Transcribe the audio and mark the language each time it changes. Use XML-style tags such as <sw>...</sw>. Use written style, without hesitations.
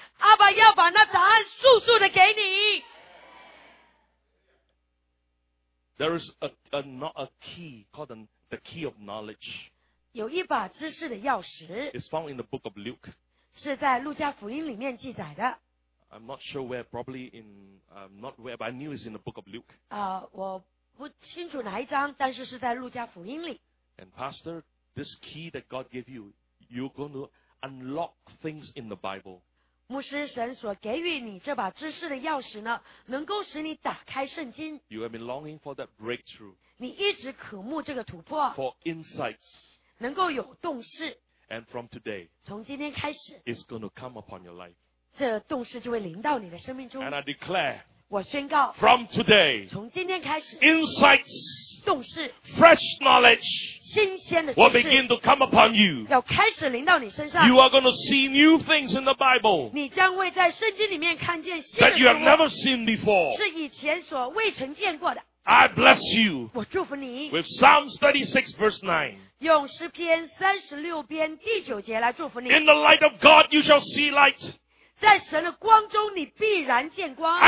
<zh>阿爸要把那答案速速的给你。</zh> <en>There is a key called the key of knowledge.</en> <zh>有一把知识的钥匙。</zh> <en>It's found in the book of Luke.</en> <zh>是在路加福音里面记载的。</zh> <en>I'm not sure where, probably in, not where, but I knew it's in the book of Luke.</en> <zh>我不清楚哪一章，但是是在路加福音里。</zh> <en>And pastor, this key that God gave you. You're going to unlock things in the Bible.</en> <zh>牧师神所给予你这把知识的钥匙呢，能够使你打开圣经。</zh> <en>You have been longing for that breakthrough.</en> <zh>你一直渴慕这个突破。</zh> <en>For insights.</en> <zh>能够有洞识。</zh> <en>And from today.</en> <zh>从今天开始。</zh> <en>It's going to come upon your life.</en> <zh>这洞识就会临到你的生命中。</zh> <en>And I declare.</en> <zh>我宣告。</zh> <en>From today.</en> <zh>从今天开始。</zh> <en>Insights.</en> <zh>动势</zh> <en>fresh knowledge</en> <zh>新鲜的知</zh> <en>识 will begin to come upon you</en> <zh>要开始临到你身上</zh> <en>you are going to see new things in the Bible</en> <zh>你将会在圣经里面看见新的</zh> <en>that you have never seen before</en> <zh>是以前所未曾见过的</zh> <en>I bless you</en> <zh>我祝福你</zh> <en>with Psalms 36 verse 9</en> <zh>用诗篇36篇第9节来祝福你</zh> <en>in the light of God you shall see light</en> <zh>在神的光中你必然见光</zh>